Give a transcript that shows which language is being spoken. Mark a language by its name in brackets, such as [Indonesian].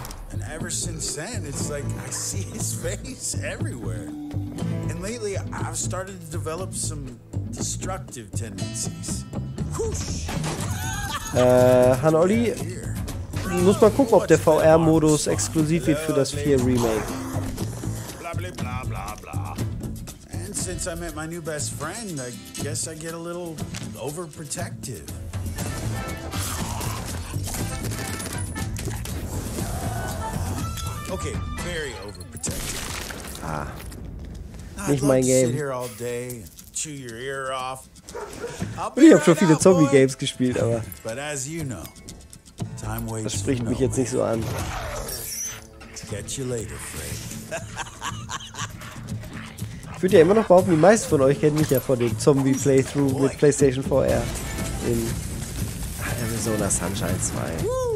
[English] And ever since then, it's like I see his face everywhere. And lately, I've started to develop some destructive tendencies. Whoosh! [German] Han-Olli, muss mal gucken, ob der VR-Modus exklusiv wird für das 4 Remake. [English] And since I met my new best friend, I guess I get a little overprotective. Okay, very overprotective. [German] Ah. Nicht mein Game. [English] Sit here all day, chew your ear off. [German] Ich habe schon viele Zombie Games gespielt, aber [English] but as you know, time waits. [German] Das spricht mich jetzt nicht so an. [English] Catch you later, Fred. [German] Würde ja immer noch behaupten, die meisten von euch kennen mich ja von dem Zombie Playthrough mit PlayStation VR in Arizona Sunshine 2.